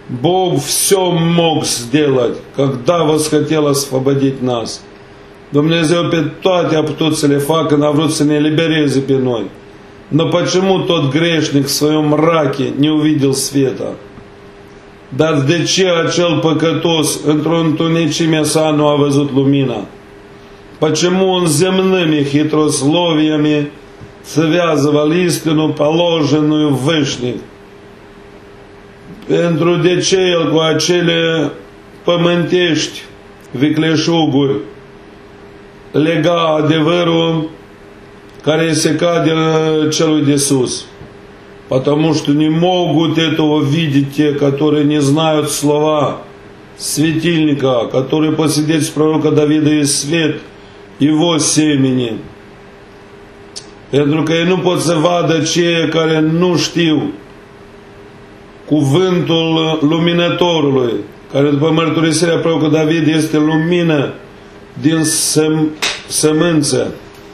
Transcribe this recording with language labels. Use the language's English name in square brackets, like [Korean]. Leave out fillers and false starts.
[Russian] Бог все мог сделать, когда восхотел освободить нас. [Romanian] Dumnezeu pe toate a putut să le facă, n-a vrut să ne elibereze pe noi. [Russian] Но почему тот грешник в своем мраке не увидел света? [Romanian] Dar de ce acel păcătos într-o întunecime sa nu a văzut lumina? [Russian] Почему он земными хитрословиями связывал истину, положенную в вышний? [Romanian] Pentru de ce el cu acele pământești vicleșuguri lega adevărul care se cade celui de sus? [Russian] Потому что не могут этого видеть те, которые не знают слова светильника, который по свидетельству пророка Давида есть свет его семени. [Romanian] Pentru că ei nu pot să vadă cei care nu știu cuvântul luminătorului, care după mărturisirea pророcului David este lumină din sămânță.